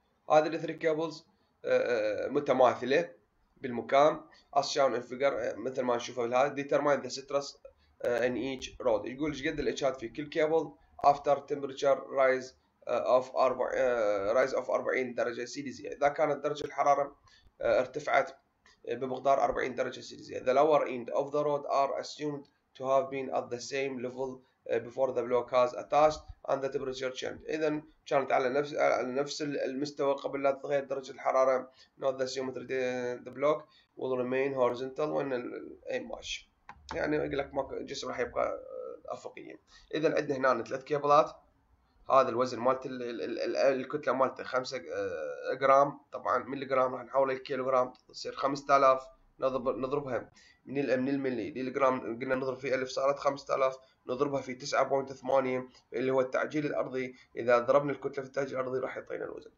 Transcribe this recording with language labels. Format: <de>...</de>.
<ar>هذه الثري كيبلز متماثلة بالمكان</ar> <en>as shown in figure</en> <ar>مثل ما نشوفه بالهذا،</ar> <en>determine the stress in each road،</en> <ar>يقول ايش قد الاتشات في كل كيبل</ar> <en>after temperature rise of 40</en> <ar>درجة سيليزية، إذا كانت درجة الحرارة ارتفعت بمقدار 40 درجة سيليزية.</ar> <en>The lower end of the road are assumed to have been at the same level before the block has attached and the temperature change.</en> <ar>إذن كانت على نفس المستوى قبل لا تتغير درجة الحرارة.</ar> <en>Not the same the block will remain horizontal when it match.</en> <ar>يعني أقول لك الجسم راح يبقى أفقيا. إذن عندنا هنا ثلاث كيبلات. هذا الوزن مالت الكتلة مالته 5 جرام، طبعا ملي جرام راح نحوله لكيلو جرام تصير 5000، نضربها من الملي للجرام قلنا نضرب في 1000 صارت 5000، نضربها في 9.8 اللي هو التعجيل الارضي، اذا ضربنا الكتلة في التعجيل الارضي راح يعطينا الوزن.</ar>